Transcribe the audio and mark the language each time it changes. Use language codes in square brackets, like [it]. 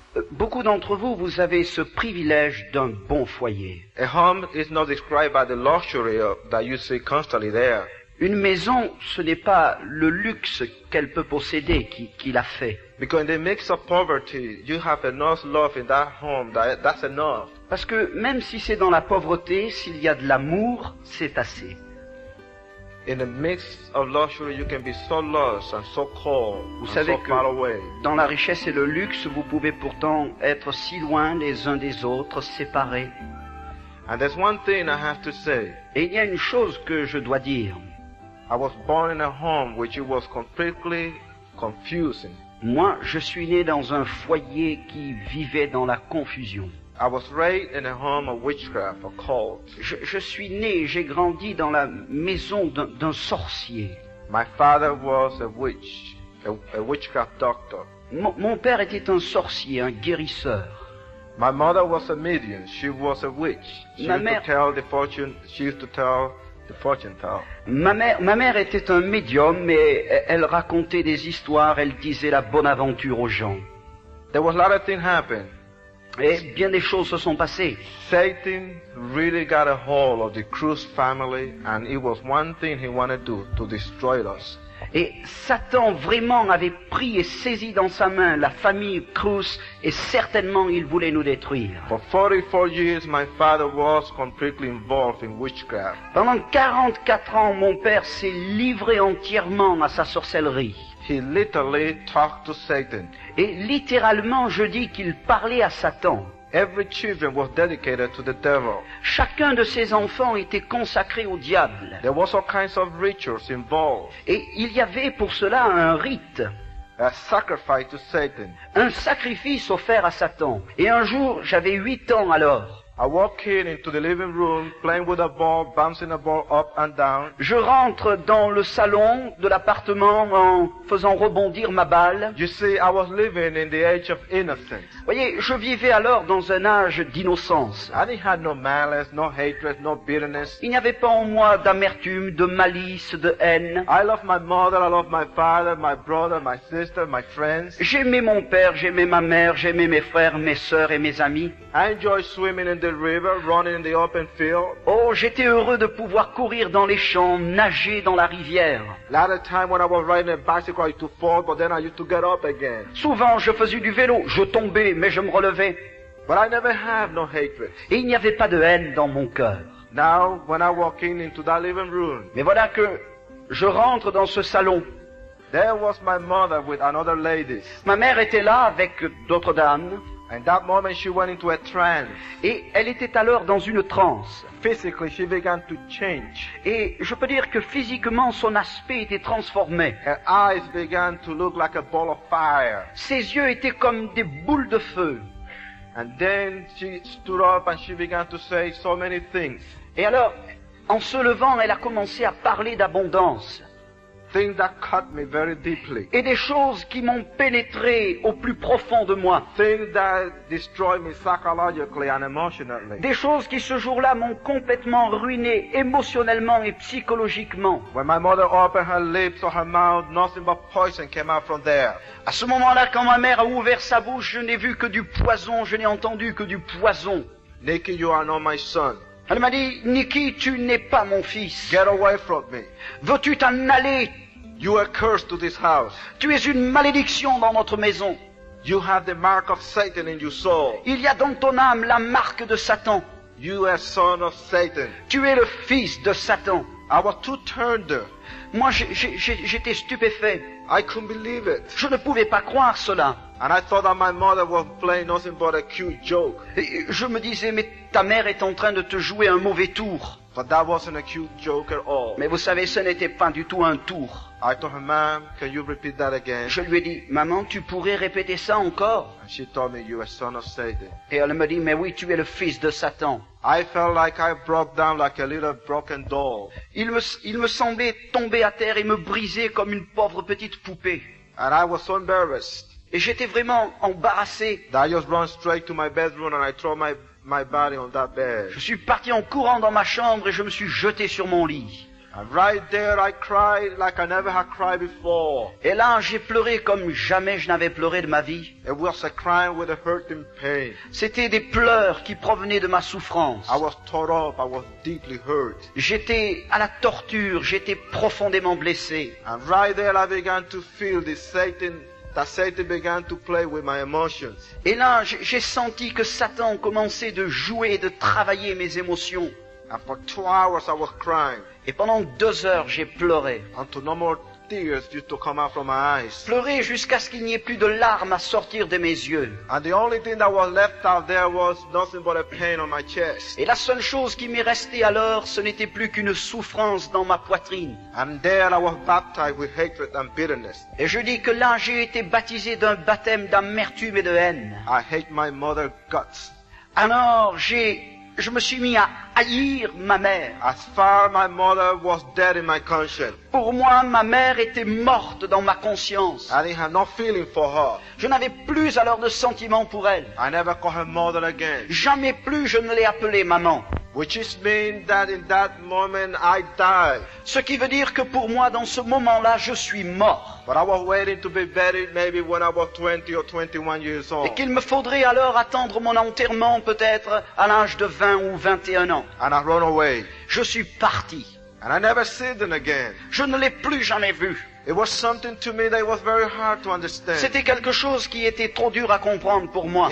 [fr] Beaucoup d'entre vous, vous avez ce privilège d'un bon foyer. [en] A home is not described by the luxury that you see constantly there. [fr] Une maison, ce n'est pas le luxe qu'elle peut posséder qui l'a fait. [en] Because in the mix of poverty, you have enough love in that home, that's enough. [fr] Parce que même si c'est dans la pauvreté, s'il y a de l'amour, c'est assez. [en] In the mix of luxury, you can be so lost and so cold, [fr] vous savez, [en] and so far away. [fr] Dans la richesse et le luxe, vous pouvez pourtant être si loin les uns des autres, séparés. [en] And there's one thing I have to say. [fr] Et il y a une chose que je dois dire. [en] I was born in a home which was completely confusing. [fr] Moi, je suis né dans un foyer qui vivait dans la confusion. [en] I was raised in a home of witchcraft, a cult. [fr] Je suis né, j'ai grandi dans la maison d'un sorcier. [en] My father was a witch, a witchcraft doctor. [fr] Mon père était un sorcier, un guérisseur. [en] My mother was a medium. She was a witch. She used to tell the fortune teller. [fr] Ma mère était un médium, mais elle racontait des histoires. Elle disait la bonne aventure aux gens. [en] There was a lot of things happen. [fr] Et bien des choses se sont passées. [en] Satan really got a hold of the Cruz family, and it was one thing he wanted to do, to destroy us. [fr] Et Satan vraiment avait pris et saisi dans sa main la famille Cruz, et certainement il voulait nous détruire. [en] For 44 years, my father was completely involved in witchcraft. [fr] Pendant 44 ans, mon père s'est livré entièrement à sa sorcellerie. [en] He literally talked to Satan. [fr] Et littéralement, je dis qu'il parlait à Satan. [en] Every children was dedicated to the devil. [fr] Chacun de ses enfants était consacré au diable. [en] There was all kinds of rituals involved. [fr] Et il y avait pour cela un rite. [en] A sacrifice to Satan. [fr] Un sacrifice offert à Satan. Et un jour, j'avais 8 ans alors. [en] I walk in into the living room, playing with a ball, bouncing a ball up and down. [fr] Je rentre dans le salon de l'appartement en faisant rebondir ma balle. [en] You see, I was living in the age of innocence. [fr] Voyez, je vivais alors dans un âge d'innocence. [en] I didn't have no malice, no hatred, no bitterness. [fr] Il n'y avait pas en moi d'amertume, de malice, de haine. [en] I love my mother, I love my father, my brother, my sister, my friends. [fr] J'aimais mon père, j'aimais ma mère, j'aimais mes frères, mes sœurs et mes amis. [en] I enjoy swimming in the river, running in the open field. [fr] Oh, j'étais heureux de pouvoir courir dans les champs, nager dans la rivière. [en] A lot of time when I was riding a bicycle, I used to fall, but then I used to get up again. [fr] Souvent, je faisais du vélo, je tombais, mais je me relevais. [en] But I never had no hatred. [fr] Et il n'y avait pas de haine dans mon cœur. [en] Now, when I walk in into that living room. [fr] Mais voilà que je rentre dans ce salon. [en] There was my mother with another lady. [fr] Ma mère était là avec d'autres dames. [en] And that moment she went into a trance. [fr] Et elle était alors dans une transe. [en] Physically she began to change. [fr] Et je peux dire que physiquement son aspect était transformé. [en] Her eyes began to look like a ball of fire. [fr] Ses yeux étaient comme des boules de feu. [en] And then she stood up and she began to say so many things. [fr] Et alors, en se levant, elle a commencé à parler d'abondance. [en] Things that cut me very deeply. [fr] Et des choses qui m'ont pénétré au plus profond de moi. [en] Things that destroy me psychologically and emotionally. [fr] Des choses qui ce jour-là m'ont complètement ruiné émotionnellement et psychologiquement. [en] When my mother opened her lips or her mouth, nothing but poison came out from there. [fr] À ce moment-là, quand ma mère a ouvert sa bouche, je n'ai vu que du poison, je n'ai entendu que du poison. [en] Nicky, you are not my son. [fr] Elle m'a dit, Nicky, tu n'es pas mon fils. [en] Get away from me. [fr] Veux-tu t'en aller? [en] You are cursed to this house. [fr] Tu es une malédiction dans notre maison. [en] You have the mark of Satan in your soul. [fr] Il y a dans ton âme la marque de Satan. [en] You are son of Satan. [fr] Tu es le fils de Satan. [en] I was too turned. [fr] Moi, j'étais stupéfait. [en] I couldn't believe it. [fr] Je ne pouvais pas croire cela. [en] And I thought that my mother was playing nothing but a cute joke. [fr] Et je me disais, mais ta mère est en train de te jouer un mauvais tour. [en] But that wasn't a cute joke at all. [fr] Mais vous savez, ce n'était pas du tout un tour. [en] I told her, "Mom, can you repeat that again?" [fr] Je lui ai dit, maman, tu pourrais répéter ça encore? [en] And she told me, "You are son of Satan." [fr] Et elle me dit, mais oui, tu es le fils de Satan. [en] I felt like I broke down like a little broken doll. [fr] Il me semblait tomber à terre et me briser comme une pauvre petite poupée. [en] And I was so embarrassed. [fr] Et j'étais vraiment embarrassé. [en] I just ran straight to my bedroom and I threw my body on that bed. [fr] Je suis parti en courant dans ma chambre et je me suis jeté sur mon lit. [en] And right there I cried like I never had cried before. [fr] Et là j'ai pleuré comme jamais je n'avais pleuré de ma vie. [en] It was a crying with a hurting pain. [fr] C'était des pleurs qui provenaient de ma souffrance. [en] I was tore up, I was deeply hurt. [fr] J'étais à la torture, j'étais profondément blessé. [en] And right there I began to feel the Satan. That Satan began to play with my emotions. [fr] Et là, j'ai senti que Satan commençait de jouer et de travailler mes émotions. [en] And for 2 hours I was crying. [fr] Et pendant 2 heures, j'ai pleuré. [en] Until no more tears used to come out from my eyes. [fr] Pleuré jusqu'à ce qu'il n'y ait plus de larmes à sortir de mes yeux. [en] And the only thing that was left out there was nothing but a pain on my chest. [fr] Et la seule chose qui m'est restée alors, ce n'était plus qu'une souffrance dans ma poitrine. [en] And there I was baptized with hatred and bitterness. [fr] Et je dis que là j'ai été baptisé d'un baptême d'amertume et de haine. [en] I hate my mother's guts. [fr] Alors je me suis mis à haïr ma mère. [en] As far my mother was dead in my conscience. [fr] Pour moi, ma mère était morte dans ma conscience. [en] I didn't have no feeling for her. [fr] Je n'avais plus alors de sentiment pour elle. [en] I never called her mother again. [fr] Jamais plus je ne l'ai appelée maman. [en] Which is mean that in that moment I died. [fr] Ce qui veut dire que pour moi, dans ce moment-là, je suis mort. [en] But I was waiting to be buried maybe when I was 20 or 21 years old. [fr] Et qu'il me faudrait alors attendre mon enterrement peut-être à l'âge de 20 ou 21 ans. [en] And I ran away. [fr] Je suis parti. [en] And I never see them again. [fr] Je ne l'ai plus jamais vu. [en] It was something to me that was very hard to understand. [fr] C'était quelque chose qui était trop dur à comprendre pour moi.